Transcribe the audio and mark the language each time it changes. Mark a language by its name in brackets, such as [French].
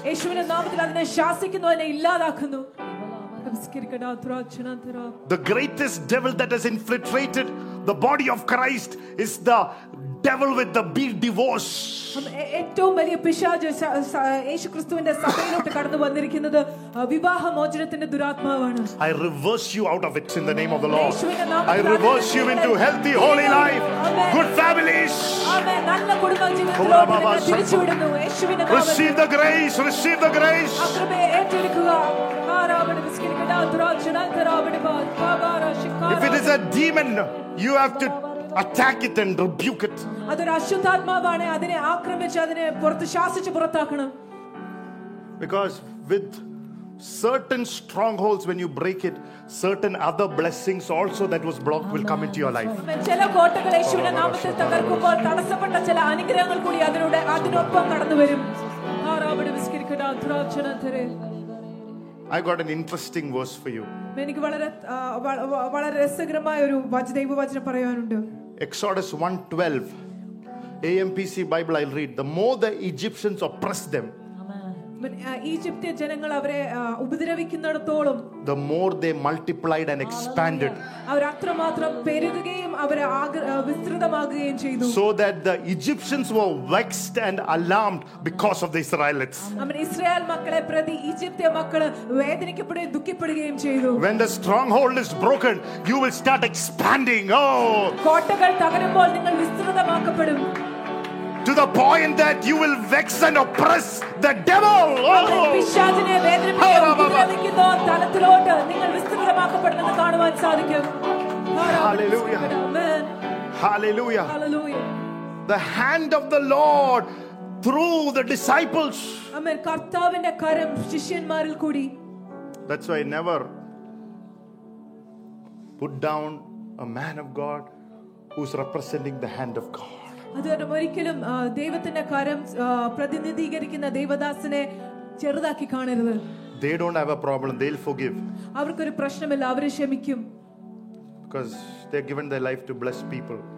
[Malayalam] യേശുവിന്റെ നാമത്തിൽ അതിനെ ശാസിക്കുന്നു, അതിനെ ഇല്ലാതാക്കുന്നു. [English] The greatest devil that has infiltrated the body of Christ is the devil with the beard divorce. [Malayalam] ഏറ്റവും വലിയ പിശാച് യേശുക്രിസ്തുവിന്റെ സഭയിലോട്ട് കടന്നു വന്നിരിക്കുന്നത് വിവാഹമോചനത്തിന്റെ ദുരാത്മാവാണ്. [English] I reverse you out of it in the name of the Lord. I reverse you into healthy, holy life, good families. Amen. [Malayalam] നല്ല കുടുംബ ജീവിതത്തിലേക്ക് തിരിച്ചു വരുന്നു യേശുവിന്റെ നാമത്തിൽ. [English] Receive the grace, receive the grace. [Malayalam] കൃപയെ ഏറ്റെടുക്കുക. ആരാബട് വിസ്കിരിക്കട ദുരാചനന്തരാബട് ബാബാര shikara. [English] If it is a demon, you have to attack it and rebuke it. [Malayalam] അതൊരു അശുദ്ധാത്മാവാണെ അതിനെ ആക്രമിച്ച് അതിനെ പുറത്ത് ശാസിച്ച് പുറത്താക്കണം. [English] Because with certain strongholds, when you break it, certain other blessings also that was blocked will come into your life. [Malayalam] ചില കോട്ടകൾ യേശുവിന്റെ നാമത്തിൽ തകർക്കുമ്പോൾ തടസ്സപ്പെട്ട ചില അനുഗ്രഹങ്ങൾ കൂടി അതിനോട് അതിനൊപ്പം കടന്നുവരും. ആരാബട് വിസ്കിരിക്കട ദുരാചനന്തരെ. [English] I got an interesting verse for you. [Malayalam] എനിക്ക് വളരെ വളരെ രസകരമായ ഒരു ദൈവവചനം പറയാനുണ്ട്. [English] Exodus 1:12 AMPC Bible, I'll read. The more the Egyptians oppressed them, [Malayalam] ഈജിപ്തിയ ജനങ്ങൾ അവരെ ഉപദ്രവിക്കുന്നിടത്തോളം, [English] the more they multiplied and expanded, [Malayalam] അവർ അത്രമാത്രം പെരുകുകയും അവരെ വിസ്തൃതമാക്കുകയും ചെയ്തു. [English] So that the Egyptians were vexed and alarmed because of the Israelites. [Malayalam] അങ്ങനെ ഇസ്രായേൽ മക്കളെ പ്രതി ഈജിപ്തിയ മക്കളെ വേദനിക്കപ്പെടുകയും ദുഃഖിപ്പെടുകയും ചെയ്തു. [English] When the stronghold is broken, you will start expanding. [Malayalam] കോട്ടകൾ തകരുമ്പോൾ നിങ്ങൾ വിസ്തൃതമാക്കപ്പെടും. [English] To the point that you will vex and oppress the devil. Oh. Hallelujah. Amen. Hallelujah. Hallelujah. The hand of the Lord through the disciples. [Malayalam] Amen. Kartavinte karam shishyanmaril koodi. [English] That's why I never put down a man of God who's representing the hand of God. [Malayalam] അതുകൊണ്ട് ഒരിക്കലും ദൈവത്തിന്റെ കരം പ്രതിനിധീകരിക്കുന്ന ദൈവദാസനെ ചെറുതാക്കി കാണരുത്. [English] They don't have a problem. They'll forgive. [Malayalam] അവർക്കൊരു പ്രശ്നമില്ല, അവർ ക്ഷമിക്കും. [English] Because they've given their life to bless people.